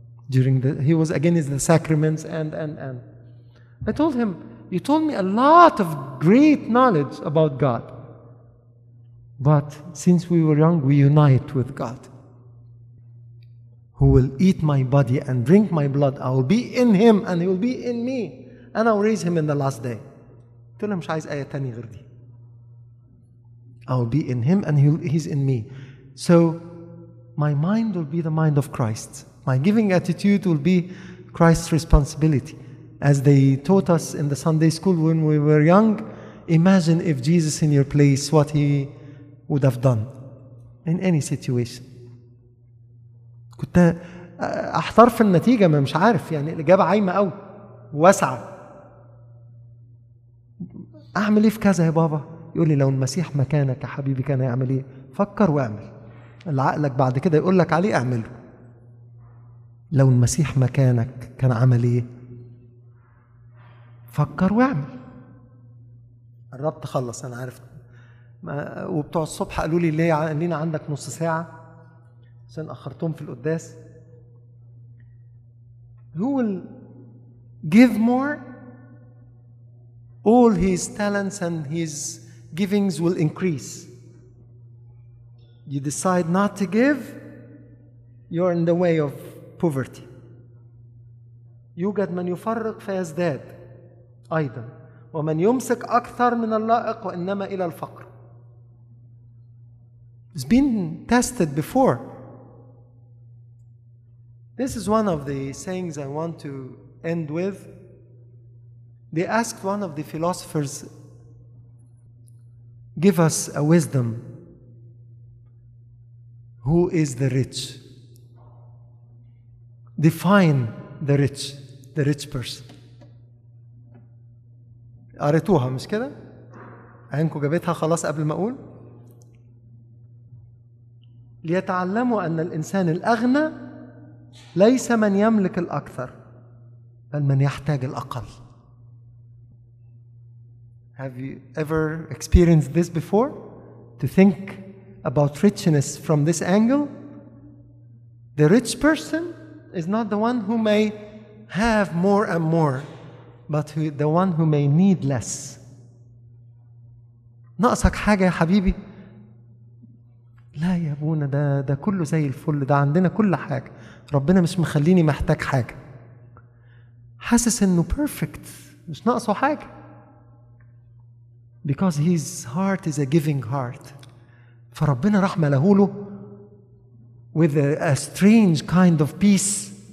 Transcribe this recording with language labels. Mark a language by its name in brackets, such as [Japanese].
[English] He was again in the sacraments and. I told him, you told me a lot of great knowledge about God, but since we were young, we unite with God, who will eat my body and drink my blood. I will be in him and he will be in me, and I will raise him in the last day. I told him, [Arabic] مش عايز آية تانية غير دي. [English] I will be in him and he's in me. So my mind will be the mind of Christ. My giving attitude will be Christ's responsibility. As they taught us in the Sunday school when we were young, imagine if Jesus in your place, what he would have done in any situation. [Arabic] كنت أحتار في النتيجة, ما مش عارف, يعني الإجابة عايمة أو واسعة. أعمل إيه في كذا يا بابا؟ يقول لي لو المسيح مكانك يا حبيبي كان يعمل إيه؟ فكر وأعمل. اللي عقلك بعد كده يقول لك عليه أعمله. لو المسيح مكانك كان عمل ايه؟ فكر واعمل. قربت خلص, انا عارف. وبتوع الصبح قالوا لي ليه لينا عندك نص ساعة عشان اخرتهم في القداس. [English] Who will give more? All his talents and his givings will increase. You decide not to give, you're in the way of poverty. [Arabic] يوجد من يفرق فيزداد أيضا, ومن يمسك أكثر من اللائق وإنما إلى الفقر. [English] It's been tested before. This is one of the sayings I want to end with. They asked one of the philosophers, Give us a wisdom. Who is the rich? Define the rich person. [Arabic] قريتوها مش كده؟ عينكم جابتها خلاص قبل ما أقول؟ ليتعلموا أن الإنسان الأغنى ليس من يملك الأكثر بل من يحتاج الأقل. [English] Have you ever experienced this before? To think about richness from this angle? The rich person is not the one who may have more and more, but the one who may need less. [Arabic] ناقصك حاجة يا حبيبي؟ لا يا أبونا ده كله زي الفل، ده عندنا كل حاجة، ربنا مش مخليني محتاج حاجة. حاسس إنه perfect، مش ناقصه حاجة. [English] Because his heart is a giving heart. [Arabic] فربنا رحمة لهوله [English] with a strange kind of peace.